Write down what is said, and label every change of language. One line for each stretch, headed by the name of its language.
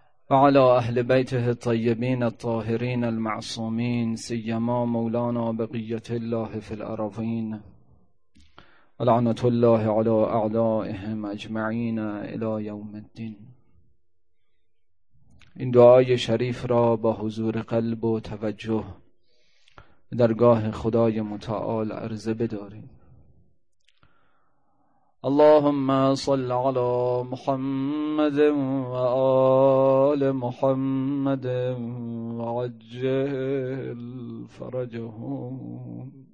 Arabic: وعلى أهل بيته الطيبين الطاهرين المعصومين، سيما مولانا بقية الله في الأرضين، ولعنة الله على أعدائهم أجمعين إلى يوم الدين.
Persian: إن دعاي شريف را بحضور قلب و توجه درگاه خدای متعال عرض بداریم.
Arabic: اللهم صل على محمد وآل محمد وعجل فرجهم.